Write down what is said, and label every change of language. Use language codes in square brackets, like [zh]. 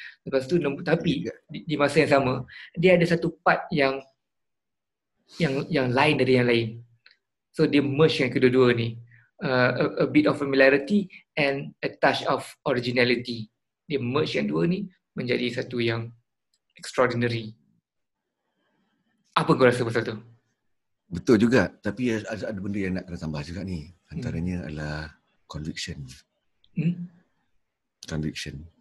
[ms] Lepas tu tapi di masa yang sama dia ada satu part yang yang lain dari yang lain. So dia merge yang kedua-dua ni. [en] A bit of familiarity and a touch of originality. [ms] Dia merge yang dua ni menjadi satu yang extraordinary. Apa kau rasa pasal tu? Betul juga. Tapi ada benda yang nak kena tambah juga ni. Antaranya adalah conviction. Conviction.